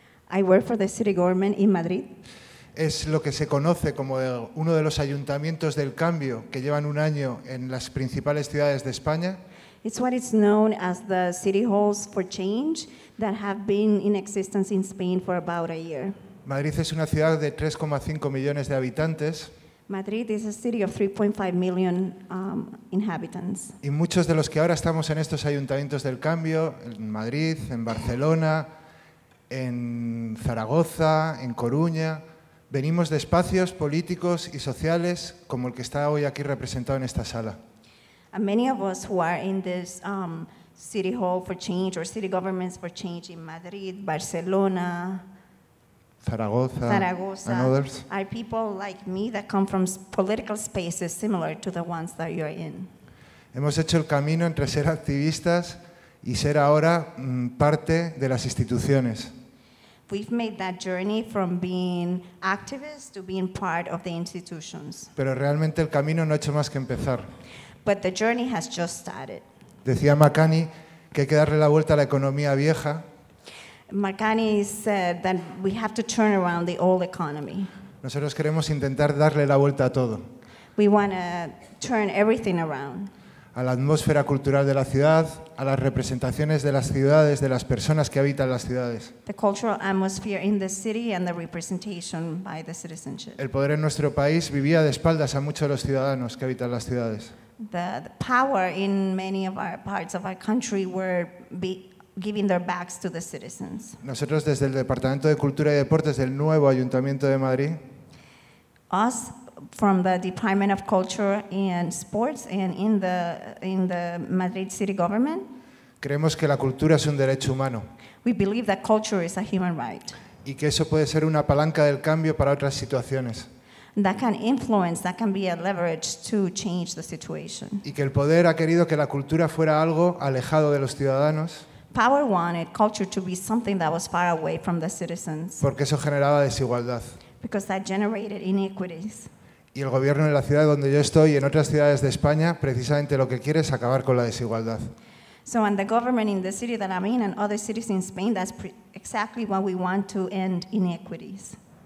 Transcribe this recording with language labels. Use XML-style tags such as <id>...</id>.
<en>I work for the city government in Madrid.</en> <es>Es lo que se conoce como uno de los ayuntamientos del cambio que llevan un año en las principales ciudades de España.</es> <en>It's what is known as the city halls for change that have been in existence in Spain for about a year.</en> <es>Madrid es una ciudad de 3,5 millones de habitantes.</es> <en>Madrid is a city of 3.5 million inhabitants.</en> <es>Y muchos de los que ahora estamos en estos ayuntamientos del cambio, en Madrid, en Barcelona, en Zaragoza, en Coruña, venimos de espacios políticos y sociales como el que está hoy aquí representado en esta sala.</es> <en>And many of us who are in this city hall for change or city governments for change in Madrid, Barcelona, Zaragoza, and others are people like me that come from political spaces similar to the ones that you're in.</en> <es>Hemos hecho el camino entre ser activistas y ser ahora parte de las instituciones.</es> <en>We've made that journey from being activists to being part of the institutions.</en> <es>Pero realmente el camino no ha hecho más que empezar.</es> <en>But the journey has just started.</en> <es>Decía Makani que hay que darle la vuelta a la economía vieja.</es> <en>Makani said that we have to turn around the old economy.</en> <es>Nosotros queremos intentar darle la vuelta a todo.</es> <en>We want to turn everything around.</en> <es>A la atmósfera cultural de la ciudad, a las representaciones de las ciudades, de las personas que habitan las ciudades.</es> <en>The cultural atmosphere in the city and the representation by the citizenship.</en> <es>El poder en nuestro país vivía de espaldas a muchos de los ciudadanos que habitan las ciudades.</es> <en>The power in many of our parts of our country were giving their backs to the citizens.</en> <es>Nosotros desde el Departamento de Cultura y Deportes del nuevo Ayuntamiento de Madrid.</es> <en>Us from the Department of Culture and Sports and in the Madrid City Government.</en> <es>Creemos que la cultura es un derecho humano.</es> <en>We believe that culture is a human right.</en> <es>Y que eso puede ser una palanca del cambio para otras situaciones.</es> <en>That can influence, that can be a leverage to change the situation.</en> <es>Y que el poder ha querido que la cultura fuera algo alejado de los ciudadanos.</es> <en>power wanted culture to be something that was far away from the citizens.</en> <es>Porque eso generaba desigualdad.</es> <en>Because that generated inequities.</en> <es>Y el gobierno en la ciudad donde yo estoy y en otras ciudades de España, precisamente lo que quiere es acabar con la desigualdad.</es> <en>So and the government in the city that I'm in and other cities in Spain, that's exactly what we want to end, inequities.</en>